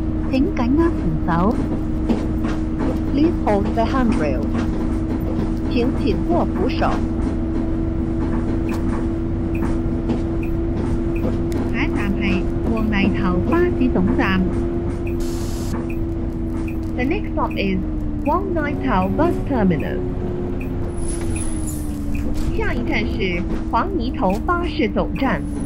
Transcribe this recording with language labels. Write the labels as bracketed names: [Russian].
[Chinese] 请紧握扶手。 [English] Please hold the handrail. [Chinese] 请紧握扶手。下一站是黄泥头巴士总站。 [English] The next stop is Wong Nai Tau Bus Terminal. [Chinese] 下一站是黄泥头巴士总站。